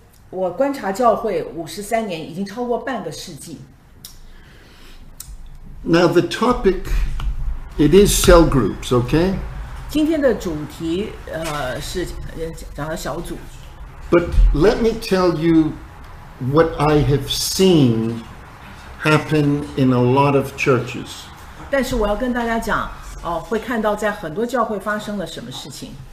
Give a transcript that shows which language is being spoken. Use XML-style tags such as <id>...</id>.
<zh>我观察教会53年，已经超过半个世纪。</zh> <en>Now the topic, it is cell groups, okay?</en> <zh>今天的主题是讲到小组。</zh> <en>But let me tell you what I have seen happen in a lot of churches.</en> <zh>但是我要跟大家讲，会看到在很多教会发生了什么事情。</zh>